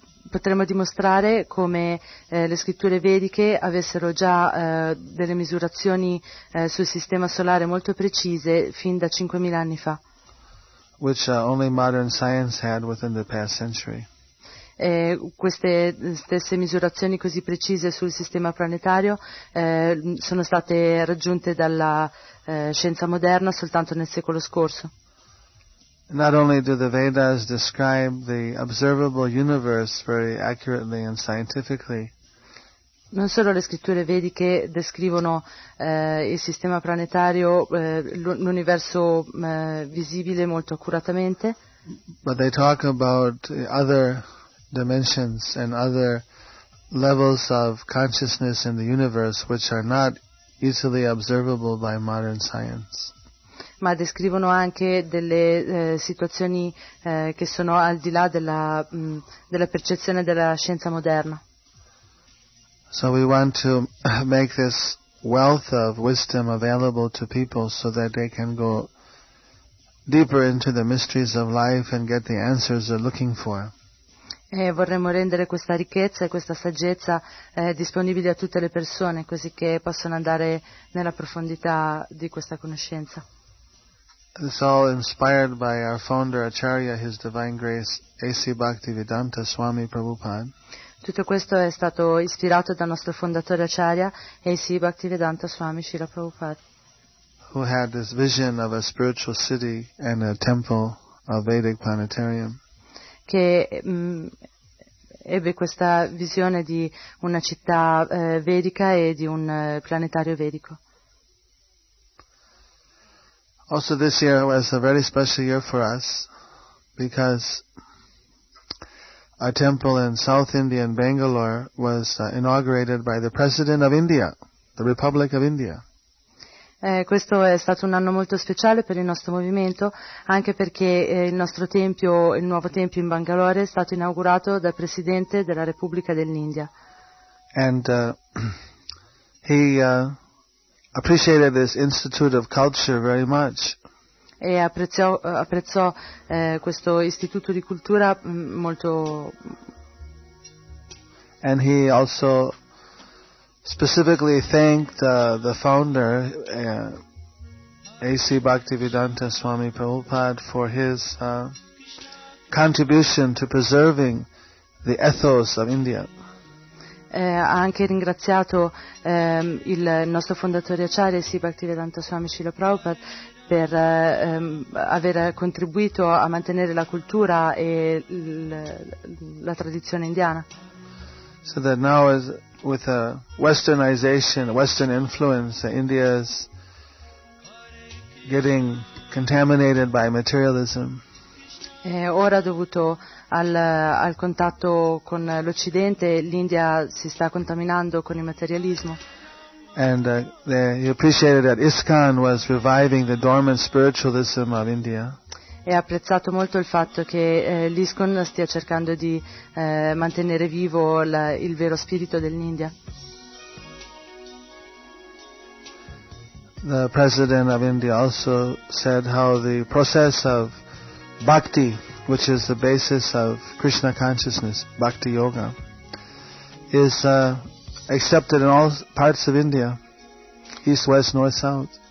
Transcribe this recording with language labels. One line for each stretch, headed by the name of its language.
Italian: potremmo dimostrare come le scritture vediche avessero già delle misurazioni sul sistema solare molto precise fin da 5.000 anni fa.
English: Which only modern science had within the past century.
Italian: E queste stesse misurazioni così precise sul sistema planetario sono state raggiunte dalla scienza moderna soltanto nel secolo scorso.
English: Not only do the Vedas describe the observable universe very accurately and scientifically.
Italian: Non solo le scritture vediche descrivono il sistema planetario, l'universo visibile molto accuratamente.
English: But they talk about other dimensions and other levels of consciousness in the universe which are not easily observable by modern science.
Italian: Ma descrivono anche delle situazioni che sono al di là della, della percezione della scienza moderna.
English: So we want to make this wealth of wisdom available to people so that they can go deeper into the mysteries of life and get the answers they're looking for.
Italian: E vorremmo rendere questa ricchezza e questa saggezza disponibili a tutte le persone, così che possano andare nella profondità di questa conoscenza.
English: It's all inspired by our founder Acharya, His Divine Grace A.C. Bhaktivedanta Swami Prabhupada.
Italian: Tutto questo è stato ispirato dal nostro fondatore Acharya, A.C. Bhaktivedanta Swami Srila Prabhupada.
English: Who had this vision of a spiritual city and a temple of Vedic planetarium.
Italian: Che ebbe questa visione di una città vedica e di un planetario vedico.
English: Also this year was a very special year for us because our temple in South India in Bangalore was inaugurated by the President of India, the Republic of India.
Italian: Questo è stato un anno molto speciale per il nostro movimento, anche perché il nostro tempio, il nuovo tempio in Bangalore, è stato inaugurato dal Presidente della Repubblica dell'India.
English: And he appreciated this Institute of Culture very much.
Italian: E apprezzò questo istituto di cultura molto.
English: And he also specifically thanked the founder, A.C. Bhaktivedanta Swami Prabhupada, for his contribution to preserving the ethos of India.
Italian: Ha anche ringraziato il nostro fondatore Acharya, A.C. Bhaktivedanta Swami Srila Prabhupada, per aver contribuito a mantenere la cultura e la tradizione indiana.
English: So that now is with a westernization, western influence, India is getting contaminated by materialism.
Italian: E ora dovuto al contatto con l'Occidente, l'India si sta contaminando con il materialismo.
English: And he appreciated that ISKCON was reviving the dormant spiritualism of India.
Italian: E ha apprezzato molto il fatto che l'ISKCON stia cercando di mantenere vivo il vero spirito dell'India.
English: The President of India also said how the process of bhakti, which is the basis of Krishna consciousness, bhakti yoga, is accepted in all parts of India, east, west, north, south.